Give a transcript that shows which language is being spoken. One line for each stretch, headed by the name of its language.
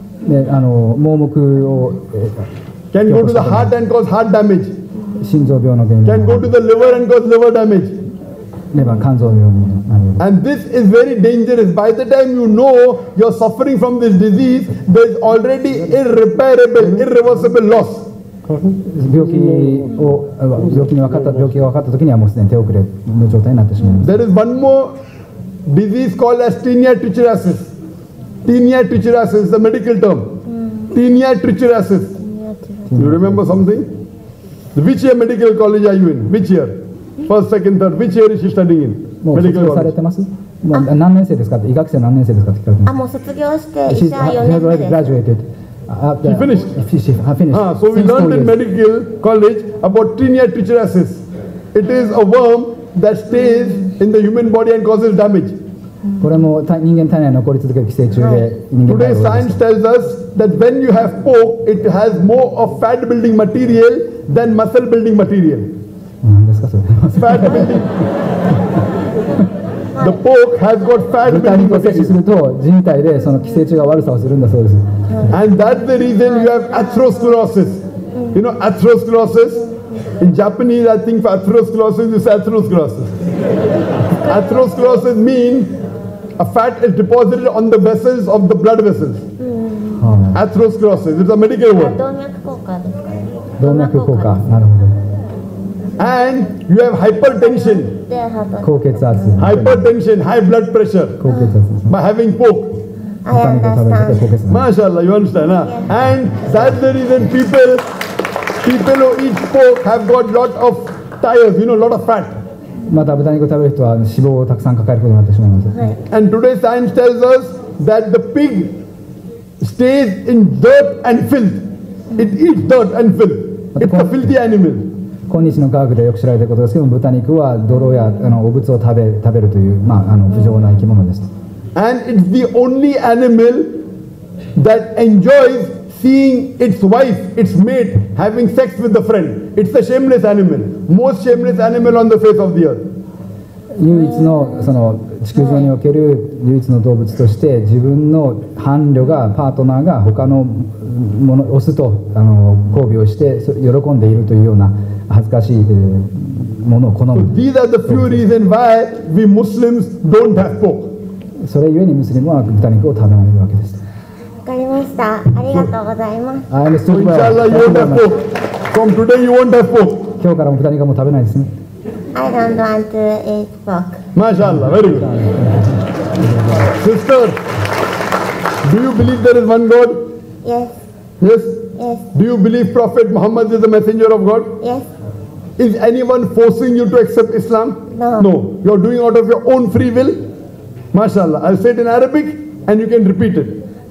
English: Can go to the heart and cause heart damage. Can go to the liver and cause liver damage. And this is very dangerous. By the time you know you're suffering from this disease, there's already irreversible loss.
Japanese: 病気に分かった時にはもうすでに手遅れの状態になってしまいます。
English: There is one more disease called as tinea trichuriasis. Tinea trichuriasis is the medical term. Tinea trichuriasis. You remember something? Which year medical college are you in? Which year? First, second, third. Which year is she studying in?
Japanese: もう卒業されてます？もう何年生ですか？医学生何年生ですか？って聞かれてます。あ、もう卒業して医者4年生です。
English: She's graduated. She finished. She finished. Ah, so we learned in medical college about tinea trichuriasis. It is a worm that stays in the human body and causes damage.
Japanese: これも人間体内に残り続ける寄生虫で。
English: Today, science tells us that when you have pork, it has more of fat building material than muscle building material. Fat building. The pork has got fat building material. And that's the reason you have atherosclerosis. You know atherosclerosis? In Japanese, I think for atherosclerosis, you say atherosclerosis. Atherosclerosis means a fat is deposited on the vessels of the blood vessels. Atherosclerosis. It's a medical word.
Japanese: 動脈硬化。動脈硬化。なるほど。
English: And you have hypertension,
Japanese: 高血圧
English: hypertension, high blood pressure,
Japanese: 高血圧
English: by having pork. I understand. MashaAllah, you understand, huh? And that's the reason people who eat pork have got lot of tires, you know, lot of fat.
Japanese: また豚肉を食べる人は脂肪をたくさん抱えることになってしまいます。
English: And today science tells us that the pig stays in dirt and filth. It eats dirt and filth. It's a filthy animal.
Japanese: 今日の科学でよく知られていることですけども、豚肉は泥やお物を食べるという、まあ、不浄な生き物です。
English: And it's the only animal that enjoys seeing its wife, its mate, having sex with the friend. It's a shameless animal. Most shameless animal on the face of the earth.
Japanese: 唯一の、その地球上における唯一の動物として、自分の伴侶が、パートナーが他のもの、オスと交尾をして喜んでいるというような、恥ずかしいものを好む。
English: These are the few reasons why we Muslims don't have pork.
Japanese: それゆえにムスリムは豚肉を食べられるわけです。わかりました。ありがとうございます。
English: So inshallah you won't have pork. From today you won't have pork.
Japanese: 今日からも豚肉も食べないですね。
English: I don't want to eat pork. MashaAllah, very good. Sister, do you believe there is one God? Yes. Yes? Yes. Do you believe Prophet Muhammad is the messenger of God? Yes. Is anyone forcing you to accept Islam? No. No. You're doing out of your own free will? MashaAllah. I'll say it in Arabic and you can repeat it.